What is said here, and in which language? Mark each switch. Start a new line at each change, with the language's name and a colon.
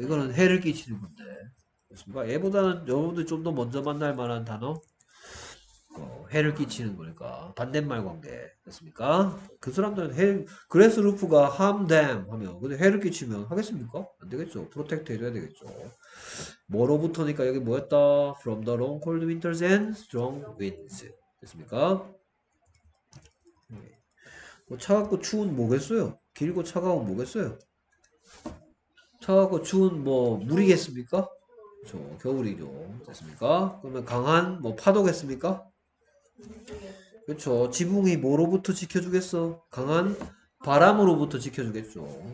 Korean: 이거는 해를 끼치는 건데. 그렇습니까? 얘보다는 여러분들 좀더 먼저 만날 만한 단어? 해를 끼치는 거니까. 반대말 관계. 됐습니까? 그 사람들은 그레스 루프가
English: harm them
Korean: 하면, 근데 해를 끼치면 하겠습니까? 안 되겠죠. 프로텍트 해줘야 되겠죠. 뭐로부터니까 여기 뭐였다?
English: From the long cold winters and strong winds.
Korean: 됐습니까? 뭐 차갑고 추운 뭐겠어요? 길고 차가운 뭐겠어요? 차갑고 추운 뭐 물이겠습니까? 그렇죠. 겨울이죠. 됐습니까? 그러면 강한 뭐 파도겠습니까? 그렇죠. 지붕이 뭐로부터 지켜주겠어? 강한 바람으로부터 지켜주겠죠.